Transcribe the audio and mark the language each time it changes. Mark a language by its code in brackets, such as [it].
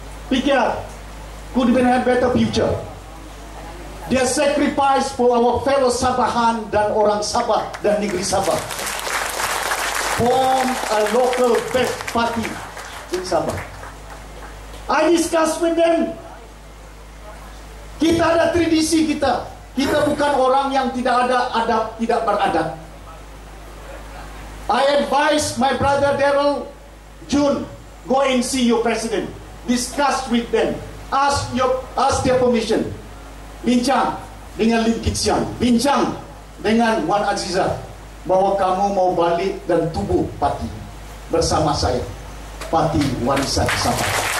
[en] PKR could even have better future. They sacrifice for our fellow Sabahan dan orang Sabah dan negeri Sabah. Form a local best party in Sabah. I discuss with them. Kita ada tradisi kita. [ms] Kita bukan orang yang tidak ada adab, tidak beradab. [en] I advise my brother Daryl June, go and see your president. Discuss with them. Ask their permission. [ms] Bincang dengan Lim Kit Siang. Bincang dengan Wan Aziza bahwa kamu mau balik dan tubuh parti bersama saya, Parti Warisan Sabah.